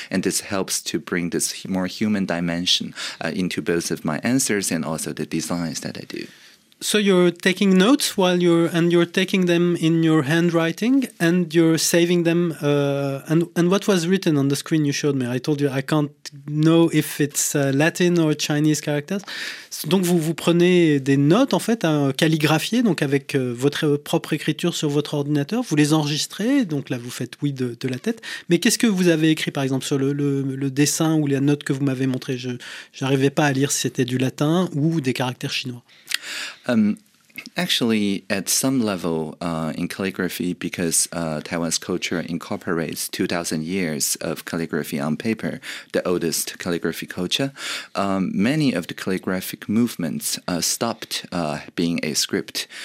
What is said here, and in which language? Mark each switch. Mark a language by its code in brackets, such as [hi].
[en] And this helps to bring this more human dimension into both of my answers and also the designs that I do. So you're taking notes while you're taking them in your handwriting and you're saving them. And what was written on the screen you showed me? I told you I can't know if it's Latin or Chinese characters. [fr] Donc vous prenez des notes en fait, calligraphiées donc avec votre propre écriture sur votre ordinateur. Vous les enregistrez. Donc là vous faites oui de la tête. Mais qu'est-ce que vous avez écrit par exemple sur le dessin ou les notes que vous m'avez montrées? Je n'arrivais pas à lire si c'était du latin ou des caractères chinois. [en] Actually, at some level in calligraphy, because Taiwan's culture incorporates 2,000 years of calligraphy on paper, the oldest calligraphy culture, many of the calligraphic movements stopped being a script.